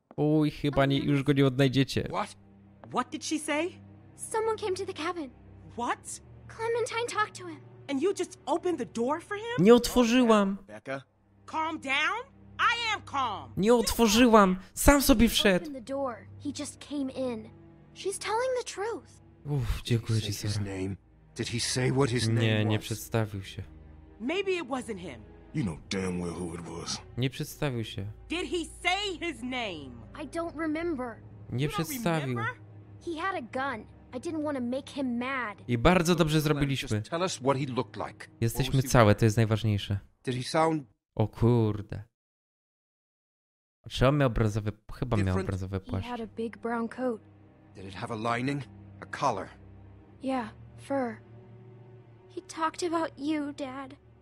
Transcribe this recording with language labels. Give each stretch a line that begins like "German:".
Polish: Uj, chyba nie, już go nie odnajdziecie.
English: What? What did she say? Someone came to the cabin. What? Clementine talked to him. And you just opened the door for him?
Polish: Nie otworzyłam.
English: Becca, calm down. I am calm.
Polish: Nie otworzyłam. Sam sobie wszedł.
English: Opened the door. He just came in. She's telling the truth.
Polish: Uff, dziękuję ci, Sarah.
English: His name? Did he say what his name was?
Polish: Nie, nie przedstawił się.
English: Maybe it wasn't him. You know damn well who it was.
Polish: Nie przedstawił się.
English: Did he say his name? I don't remember.
Polish: Nie przedstawił.
English: He had a gun. I didn't want to make him mad.
Polish: I bardzo dobrze zrobiliśmy. Jesteśmy całe, to jest najważniejsze. O kurde. Czy on miał brązowy... Chyba miał brązowy płaszcz.
English: He had a big brown coat. Did it have a lining? A collar? Yeah, fur. He talked about you, Dad.